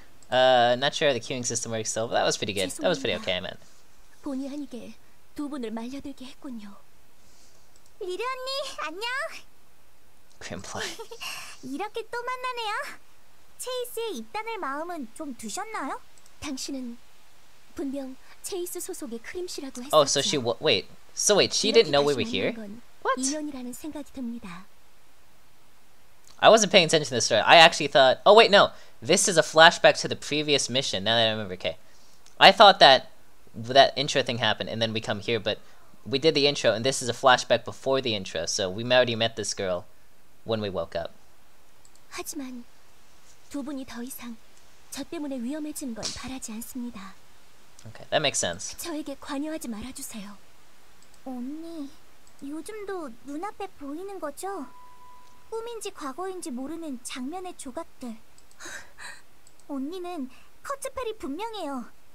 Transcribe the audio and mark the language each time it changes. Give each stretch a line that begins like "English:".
English: Not sure how the queuing system works still, but that was pretty good. That was pretty okay, man.
Korean: 본의 아니게 두 분을 말려들게 했군요. 리르 언니, 안녕! Grimply. 이렇게 또 만나네요. 체이스의 입단을 마음은 좀 두셨나요? 당신은 분명 체이스 소속의 크림씨라고 했었죠.
English: Oh, so wait, she didn't know we were here? What?
Korean: Inyon이라는 생각이 듭니다.
English: I wasn't paying attention to this story. I actually thought... Oh, wait, no. This is a flashback to the previous mission, now that I remember. Okay. I thought that intro thing happened, and then we come here, but we did the intro, and this is a flashback before the intro, so we already met this girl when we woke up.
Korean: 하지만 두 분이 더 이상 저 때문에 위험해진 건 바라지 않습니다.
English: Okay, that makes sense.
Korean: 저에게 관여하지 말아주세요. 언니, 요즘도 눈앞에 보이는 거죠? 꿈인지 과거인지 모르는 장면의 조각들. 언니는 커츠펠이 분명해요.